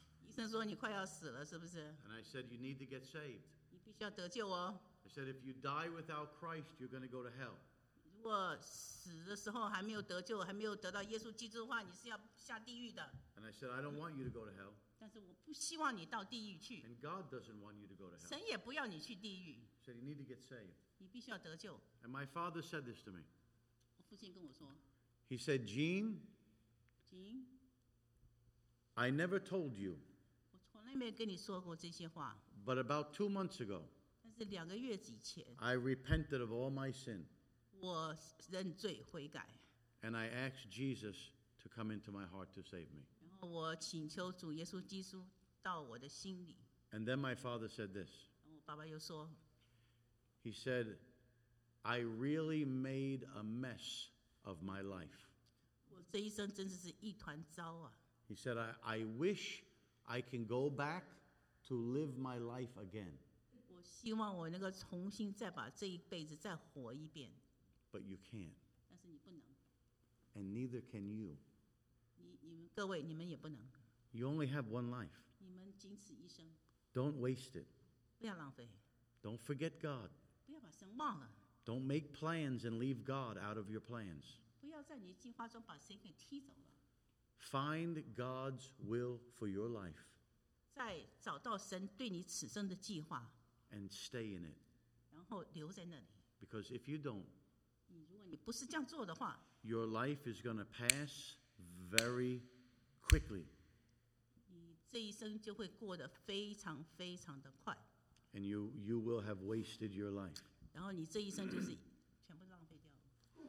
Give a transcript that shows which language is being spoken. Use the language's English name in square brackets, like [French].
[Chinese] 医生说你快要死了是不是 [English] and I said, you need to get saved, [Chinese] 你必须要得救哦 [English] I said, if you die without Christ, you're going to go to hell. [Chinese] 如果死的时候还没有得救，还没有得到耶稣基督的话，你是要下地狱的。 [English] And I said, I don't want you to go to hell. [Chinese] 但是我不希望你到地狱去。 [English] And God doesn't want you to go to hell. [Chinese] 神也不要你去地狱。 [English] He said, you need to get saved. [Chinese] 你必须要得救。 [English] And my father said this to me. [Chinese] 我父亲跟我说。 [English] He said, Gene. Gene. I never told you. [Chinese] 我从来没有跟你说过这些话。 [English] But about 2 months ago. [Chinese] 但是两个月以前。 [English] I repented of all my sin. [Chinese] 我认罪悔改。 [English] And I asked Jesus to come into my heart to save me. [Chinese] 然后我请求主耶稣基督到我的心里。 [English] And then my father said this. [Chinese] 然后我爸爸又说。 [English] He said, I really made a mess of my life. [Chinese] 我这一生真的是一团糟啊。 [English] He said, I wish I can go back to live my life again. [Chinese] 我希望我能够重新再把这一辈子再活一遍。 [English] But you can't. [Chinese] 但是你不能。 [English] And neither can you. [Chinese] 各位，你们也不能。 [English] You only have one life. [Chinese] 你们仅此一生。 [English] Don't waste it. [Chinese] 不要浪费。 [English] Don't forget God. [Chinese] 不要把神忘了。 [English] Don't make plans and leave God out of your plans. [Chinese] 不要在你计划中把神给踢走了。 [English] Find God's will for your life. [Chinese] 再找到神对你此生的计划。 [English] And stay in it. [Chinese] 然后留在那里。 [English] Because if you don't, [Chinese] 你不是这样做的话, [English] your life is going to pass very quickly. [Chinese] 你这一生就会过得非常非常的快。 [English] And you will have wasted your life. [Chinese] 然后你这一生就是全部浪费掉了。